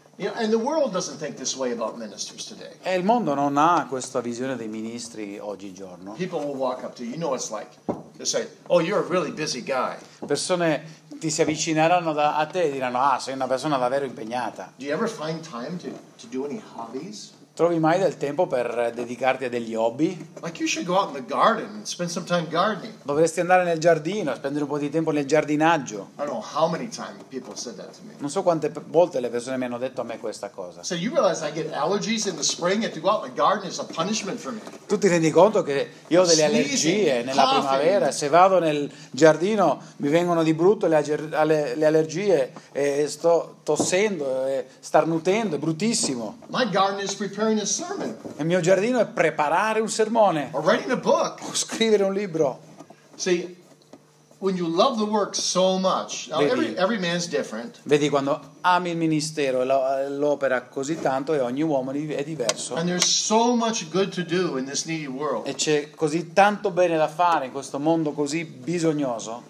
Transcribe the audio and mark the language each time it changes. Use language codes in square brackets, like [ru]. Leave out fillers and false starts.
[en] Yeah, and the world doesn't think this way about ministers today. [it] E il mondo non ha questa visione dei ministri oggigiorno. [en] People will walk up to you. You know it's like they say, "Oh, you're a really busy guy." [it] Persone ti si avvicineranno a te e diranno, "Ah, sei una persona davvero impegnata." [en] Do you ever find time to do any hobbies? [it] Trovi mai del tempo per dedicarti a degli hobby? [en] Like you should go out in the garden and spend some time gardening. [it] Dovresti andare nel giardino, spendere un po' di tempo nel giardinaggio. [en] I don't know how many times people said that to me. [it] Non so quante volte le persone mi hanno detto a me questa cosa. [en] So you realize I get allergies in the spring and to go out in the garden is a punishment for me. [it] Tu ti rendi conto che io ho delle allergie nella primavera, se vado nel giardino mi vengono di brutto le allergie e sto tossendo e starnutendo, è bruttissimo. [en] My garden is preparing a sermon. [it] Il mio giardino è preparare un sermone. [en] Or writing a book. [it] O scrivere un libro. [en] See, when you love the work so much, [it] vedi, [en] every man's different. [it] Vedi, quando ami il ministero e l'opera così tanto, e ogni uomo è diverso. [en] And there's so much good to do in this needy world. [it] E c'è così tanto bene da fare in questo mondo così bisognoso.